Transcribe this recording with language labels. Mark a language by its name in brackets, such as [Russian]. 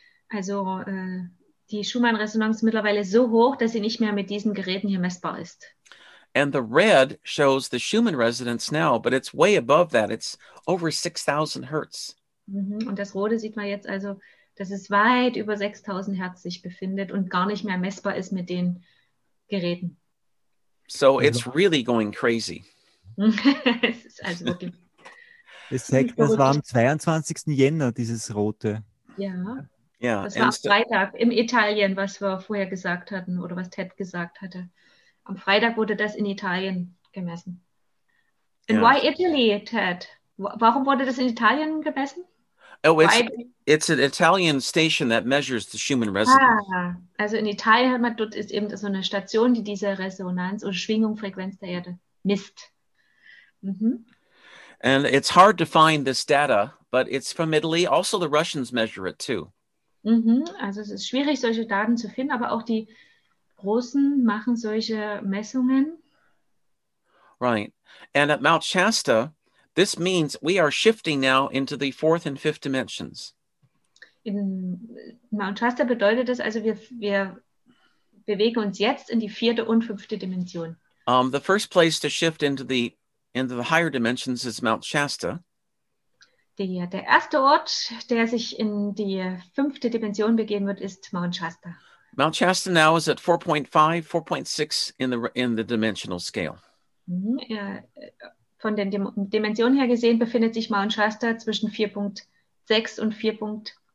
[German] Also die Schumann-Resonanz mittlerweile so hoch, dass sie nicht mehr mit diesen Geräten hier messbar ist. [English] And the red shows the Schumann resonance now, but it's way above that. It's over 6,000 hertz. Mm-hmm. [German] Und das Rote sieht man jetzt also, dass es weit über 6,000 hertz sich befindet und gar nicht mehr messbar ist mit den Geräten. [English] So it's really going crazy. [German] Es ist also wirklich. Das zeigt, das war am 22. Jänner, dieses Rote. Ja. [English] Yeah. [German] Das war am Freitag im Italien, was wir vorher gesagt hatten oder was Ted gesagt hatte. Am Freitag wurde das in Italien gemessen. [English] And yeah. Why Italy, Ted? [German] Warum wurde das in Italien gemessen? [English] Oh, it's an Italian station that measures the Schumann resonance. [German] Ah, also in Italien hat man dort ist eben so eine Station, die diese Resonanz oder Schwingungsfrequenz der Erde misst. Mhm. [English] And it's hard to find this data, but it's from Italy. Also the Russians measure it too. Mhm. [German] Also es ist schwierig, solche Daten zu finden, aber auch die Russen machen solche Messungen. [English] Right. And at Mount Shasta, this means we are shifting now into the fourth and fifth dimensions. [German] In Mount Shasta bedeutet das also, wir bewegen uns jetzt in die vierte und fünfte Dimension. [English] The first place to shift into the higher dimensions is Mount Shasta. [German] Der erste Ort, der sich in die fünfte Dimension begeben wird, ist Mount Shasta. [English] Mount Shasta now is at 4.5, 4.6 in the dimensional scale. [German] Von den Dimensionen her gesehen befindet sich Mount Shasta zwischen 4.6 und 4.8.